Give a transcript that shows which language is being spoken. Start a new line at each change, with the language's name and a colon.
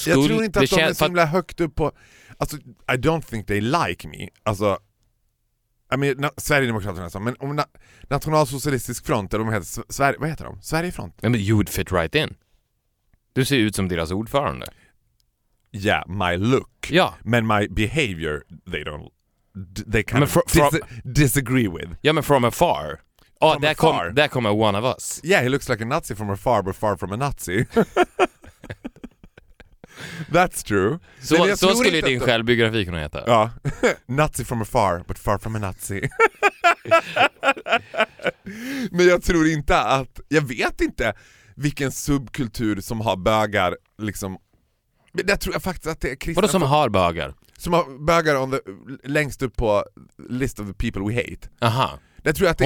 Swedish: jag tror inte att de är så himla högt upp på, alltså,
English: I don't think they like me.
Swedish: Alltså,
English: I mean,
Swedish: Sverigedemokraterna, men om nationalsocialistisk front, eller de heter Sverige, vad heter de? Sverigefront.
English: Men you'd fit right in.
Swedish: Du ser ut som deras ordförande.
English: Yeah, my look. Yeah. Men my behavior, they kind of disagree with.
Swedish: Ja, men
English: from afar. Oh, from there afar. There come one of us. Yeah, he looks like a Nazi from afar, but far from a Nazi. That's true.
Swedish: Så skulle din självbiografi kunna heta. Ja.
English: Nazi from afar, but far from a Nazi.
Swedish: Men jag tror inte att, jag vet inte vilken subkultur som har bögar liksom. Men det tror jag faktiskt att det är kristna. Vadå som har bögar? Som har bögar
English: on the,
Swedish: längst upp på
English: list of the people we hate.
Swedish: Aha. Det tror jag att det,